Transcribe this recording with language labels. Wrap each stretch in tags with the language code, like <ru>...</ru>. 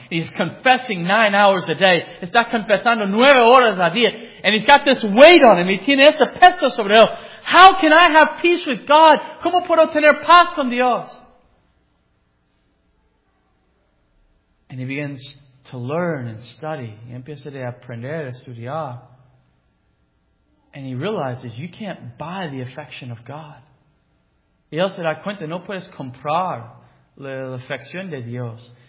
<en>He's confessing 9 hours a day.</en> <es>Está confesando 9 horas a día.</es> <en>And he's got this weight on him.</en> <es>He tiene ese peso sobre él.</es> <en>How can I have peace with God?</en> <es>¿Cómo puedo tener paz con Dios?</es> <en>And he begins to learn and study.</en> <es>Y empieza a aprender, a estudiar.</es> <en>And he realizes you can't buy the affection of God.</en> <es>Y él se da cuenta, no puedes comprar la afección de Dios.</es>